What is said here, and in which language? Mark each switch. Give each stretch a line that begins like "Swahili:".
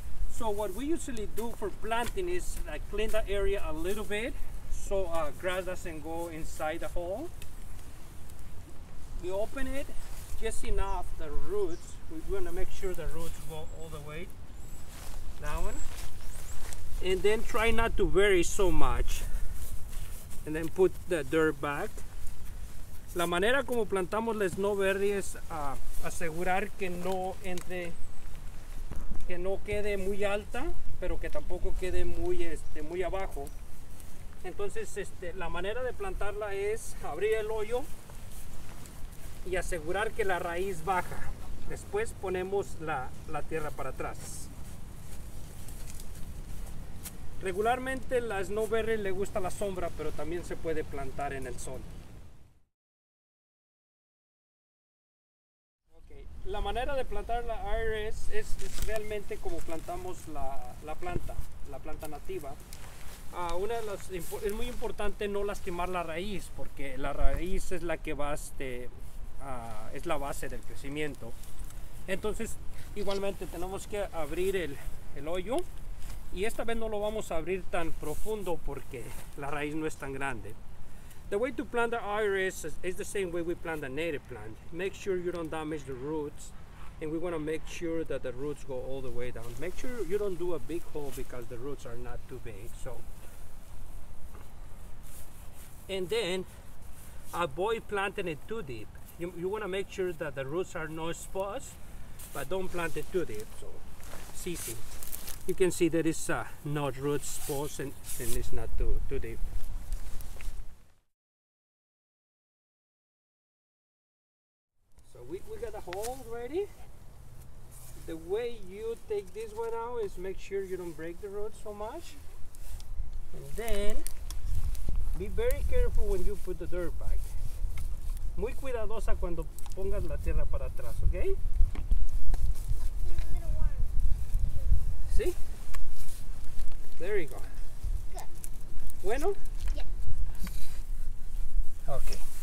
English: So what we usually do for planting is clean the area a little bit so grass doesn't go inside the hole. We open it just enough the roots. We want to make sure the roots go all the way down. And then try not to bury so much. And then put the dirt back.
Spanish: La manera como plantamos la snowberry es asegurar que no entre, que no quede muy alta, pero que tampoco quede muy muy abajo. Entonces la manera de plantarla es abrir el hoyo y asegurar que la raíz baja. Después ponemos la tierra para atrás. Regularmente la snowberry le gusta la sombra, pero también se puede plantar en el sol. Okay. La manera de plantar la iris es realmente como plantamos la planta nativa. Es muy importante no lastimar la raíz, porque la raíz es la que va es la base del crecimiento. Entonces, igualmente tenemos que abrir el hoyo. Y esta vez no lo vamos a abrir tan profundo porque la raíz no es tan grande.
English: The way to plant the iris is the same way we plant a native plant. Make sure you don't damage the roots. And we want to make sure that the roots go all the way down. Make sure you don't do a big hole because the roots are not too big. So, and then avoid planting it too deep. You want to make sure that the roots are not exposed, but don't plant it too deep. So, easy. You can see there is no root spots and it's not too deep. So we got a hole ready. The way you take this one out is make sure you don't break the root so much. And then be very careful when you put the dirt back.
Spanish: Muy cuidadosa cuando pongas la tierra para atrás, okay?
English: There you go. Good.
Spanish: Bueno?
English: Yeah. Okay.